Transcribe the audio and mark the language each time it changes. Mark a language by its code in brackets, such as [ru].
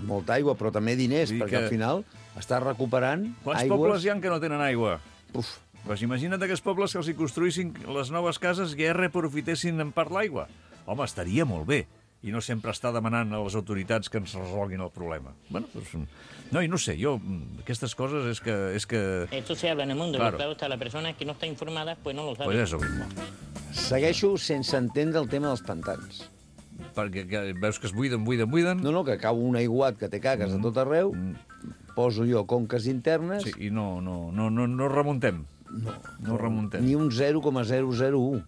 [ca] Molta aigua, però també diners, perquè que... al final estàs recuperant quants aigües... Quants pobles hi ha que no tenen aigua? Uf. Pues imagina't aquests pobles que els hi construïssin les noves cases i ja reprofitessin en part l'aigua. Home, estaria molt bé. I no sempre està demanant a les autoritats que ens resolguin el problema. Bueno, doncs... No, i no sé, jo... Aquestes coses és que... [es] Esto se habla en el mundo. Claro. La persona que no está informada, pues no lo sabe. Pues eso mismo. [ca] Segueixo sense entendre el tema dels pantans. perquè veus que es buiden. No, que acabo un aiguat que té caques a tot arreu, poso jo conques internes... Sí, i no remuntem. No remuntem. Ni un 0,001.